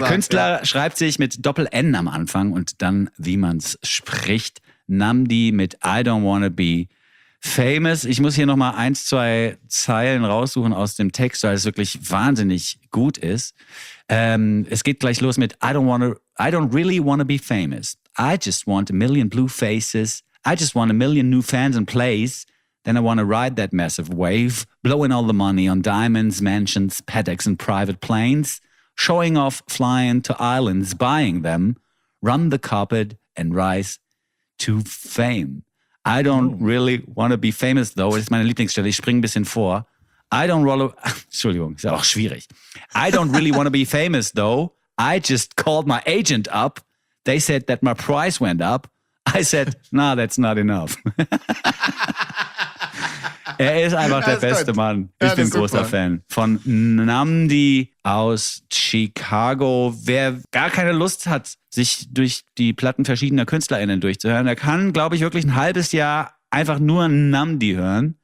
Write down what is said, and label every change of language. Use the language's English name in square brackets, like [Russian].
[German] Der Künstler schreibt sich mit Doppel-N am Anfang und dann, wie man es spricht, Namdi mit I Don't Wanna Be Famous. Ich muss hier nochmal 1-2 Zeilen raussuchen aus dem Text, weil es wirklich wahnsinnig gut ist. Es geht gleich los mit [English] I don't really wanna be famous. I just want a million blue faces. I just want a million new fans and plays. Then I wanna ride that massive wave, blowing all the money on diamonds, mansions, paddocks and private planes, showing off flying to islands, buying them, run the carpet and rise to fame. I don't really want to be famous, though. [German] Das ist meine Lieblingsstelle. Ich springe ein bisschen vor. Entschuldigung, ist auch schwierig. [English] I don't really want to be famous, though. I just called my agent up. They said that my price went up. I said, nah, that's not enough. [German] Er ist einfach der beste Mann. Ich bin großer Fan. Von Namdi aus Chicago. Wer gar keine Lust hat, sich durch die Platten verschiedener KünstlerInnen durchzuhören, der kann, glaube ich, wirklich ein halbes Jahr einfach nur Namdi hören.